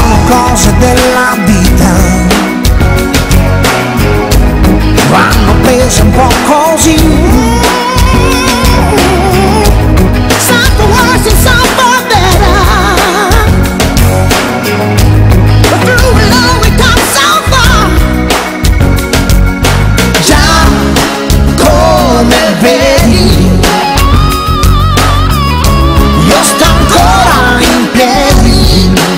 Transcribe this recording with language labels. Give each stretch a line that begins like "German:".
Italian: Cose della vita vanno prese un po' così.
English: Some for worse and some for better, but through it all we come so far.
Italian: Già come vedi, io sto ancora in piedi.